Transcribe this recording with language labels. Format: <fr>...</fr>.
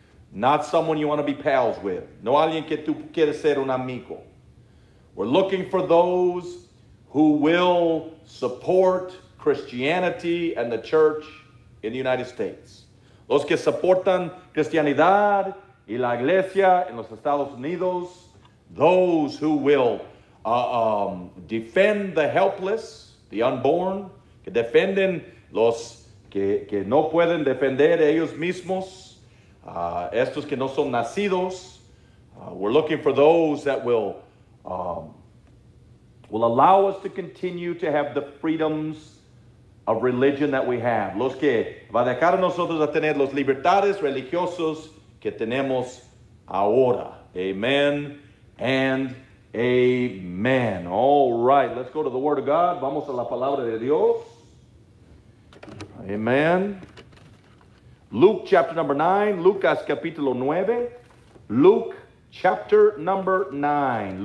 <en>Not someone you want to be pals with.</en> <es>No alguien que tú quieres ser un amigo.</es> <en>We're looking for those who will support Christianity and the church in the United States.</en> <es>Los que soportan cristianidad y la iglesia en los Estados Unidos.</es> <en>Those who will defend the helpless, the unborn.</en> <es>Que defienden los que no pueden defender ellos mismos. Estos que no son nacidos.</es> <en>We're looking for those that will allow us to continue to have the freedoms of religion that we have.</en> <es>Los que va a dejar a nosotros a tener los libertades religiosos que tenemos ahora.</es> <en>Amen and amen. All right, let's go to the Word of God.</en> <es>Vamos a la Palabra de Dios. Amen.</es> <en>Luke chapter number 9.</en> <es>Lucas capítulo 9.</es> <en>Luke chapter number 9.</en>